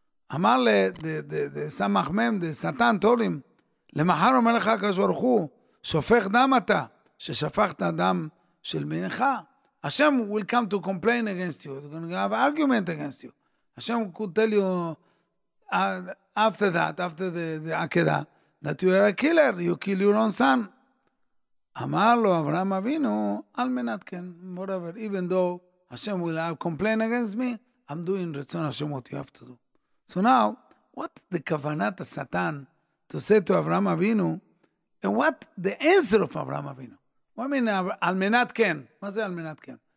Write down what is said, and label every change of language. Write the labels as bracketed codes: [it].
[he] Amar le, the Samach Mem, [en] the Satan told him, [he] למחר אומר לך הקדוש ברוך הוא, שופך דם אתה, ששפכת דם של מנך. [en] Hashem will come to complain against you. He's going to have an argument against you. Hashem could tell you after that, after the Akedah, that you are a killer. You kill your own son. [he] אמר לו, אברהם אבינו, על מנת כן, whatever. [en] Even though Hashem will have complain against me, I'm doing רצון Hashem what you have to do. So now, what the [he] כוונת השטן [en] to say to Avraham Avinu, and what the answer of Avraham Avinu? What do you mean, al menat ken? What's al menat ken?